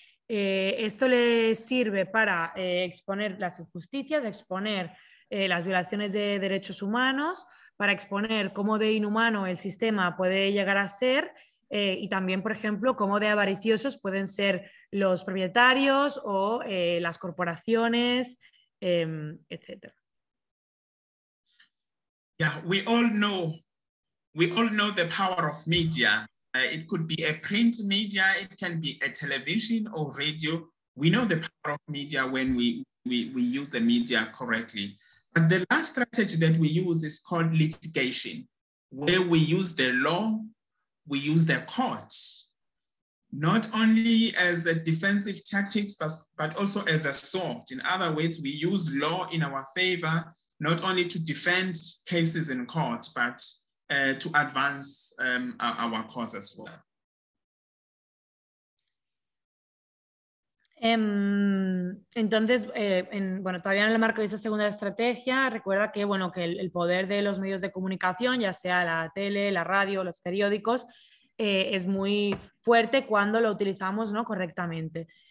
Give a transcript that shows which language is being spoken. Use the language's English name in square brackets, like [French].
[Spanish] Esto le sirve para exponer las injusticias, exponer las violaciones de derechos humanos, para exponer cómo de inhumano el sistema puede llegar a ser. Y también, por ejemplo, cómo de avariciosos pueden ser los propietarios o las corporaciones, etc. [English] Yeah, we all know the power of media. It could be a print media, it can be a television or radio. We know the power of media when we use the media correctly. But the last strategy that we use is called litigation, where we use the law. We use the courts, not only as a defensive tactics, but also as a sword. In other words, we use law in our favor, not only to defend cases in court, but to advance our cause as well. [Spanish] Entonces, bueno, todavía en el marco de esa segunda estrategia, recuerda que, bueno, que el poder de los medios de comunicación, ya sea la tele, la radio, los periódicos, es muy fuerte cuando lo utilizamos, ¿no?, correctamente.